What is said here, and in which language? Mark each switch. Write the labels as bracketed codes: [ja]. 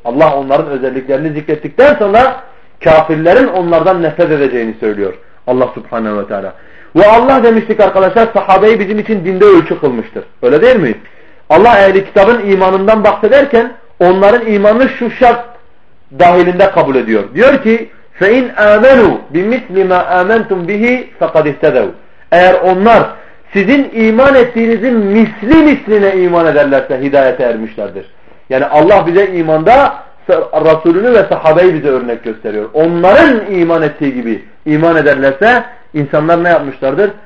[tr] Allah onların özelliklerini zikrettikten sonra kafirlerin onlardan nefret edeceğini söylüyor Allah subhanehu ve teala. Ve Allah demiştik arkadaşlar sahabeyi bizim için dinde ölçü kılmıştır. Öyle değil mi? Allah ehli kitabın imanından bahsederken onların imanını şu şart dahilinde kabul ediyor. Diyor ki [ar] فَاِنْ اَمَنُوا بِمِثْلِ مَا اَمَنْتُمْ بِهِ فَقَدْ اِهْتَدَوْا. [tr] Eğer onlar sizin iman ettiğinizin misli misline iman ederlerse hidayete ermişlerdir. Yani Allah bize imanda Resulünü ve sahabeyi bize örnek gösteriyor. Onların iman ettiği gibi iman ederlerse insanlar ne yapmışlardır?